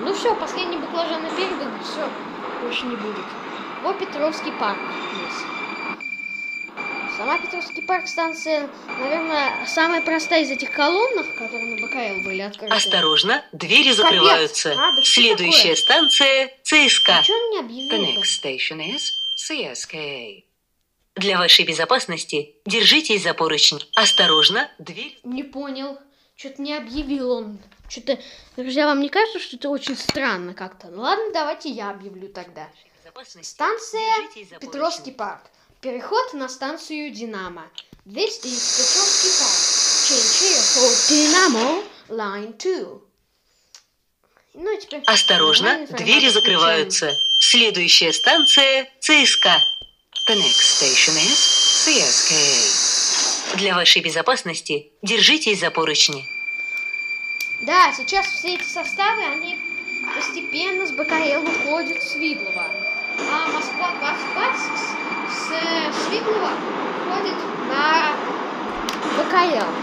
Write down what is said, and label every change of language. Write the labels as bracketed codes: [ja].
[ru] Ну все, последние баклажаны переданы, все, больше не будет. Во Петровский парк есть. Сама Петровский парк станция, наверное, самая простая из этих колонных, которые на БКЛ были открыты. Осторожно, двери закрываются. Да следующая такое? Станция ЦСКА. А что он не объявил? [en] The next station is CSKA. [ru] Для вашей безопасности держитесь за поручень. Осторожно, дверь... Не понял, что-то не объявил он. Что-то, друзья, вам не кажется, что это очень странно как-то? Ладно, давайте я объявлю тогда. Станция Петровский парк. Переход на станцию Динамо. [en] This is Petrovsky Park. Change for Dynamo Line 2. [ru] Ну и теперь... Осторожно, двери закрываются. Следующая станция ЦСКА. [en] The next station is CSKA. [ru] Для вашей безопасности держитесь за поручни. Да, сейчас все эти составы, они постепенно с БКЛ уходят в Свиблово. А Москва 20 с Свиблова уходит на БКЛ.